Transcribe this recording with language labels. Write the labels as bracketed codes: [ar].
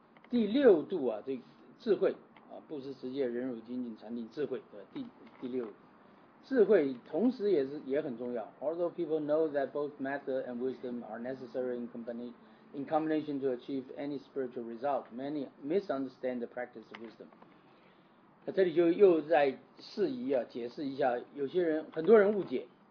[zh] 第六度啊，这智慧啊，布施、持戒、忍辱、精进、禅定、智慧，对吧？第六，智慧同时也很重要。 [en] Although people know that both method and wisdom are necessary in combination to achieve any spiritual result, many misunderstand the practice of wisdom. [zh] 那这里就又在释疑啊，解释一下，有些人很多人误解。